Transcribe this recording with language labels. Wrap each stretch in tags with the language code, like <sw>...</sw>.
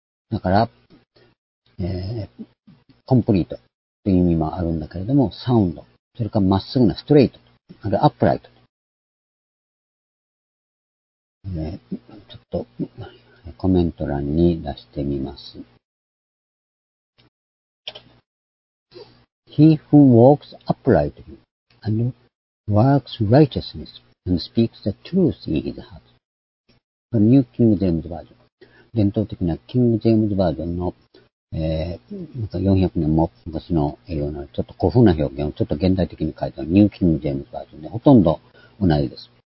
<ja>だから、コンプリートという意味もあるんだけれども、サウンド。それからまっすぐな、ストレート。あるいはアップライト。ちょっと、コメント欄に出してみます。</ja> <en>He who walks uprightly and works righteousness and speaks the truth in his heart. The New King James Version.</en> <ja>伝統的なキング・ジェームズバージョンの、400年も昔の英語のちょっと古風な表現をちょっと現代的に書いたニュー・キング・ジェームズバージョンでほとんど同じです。</ja>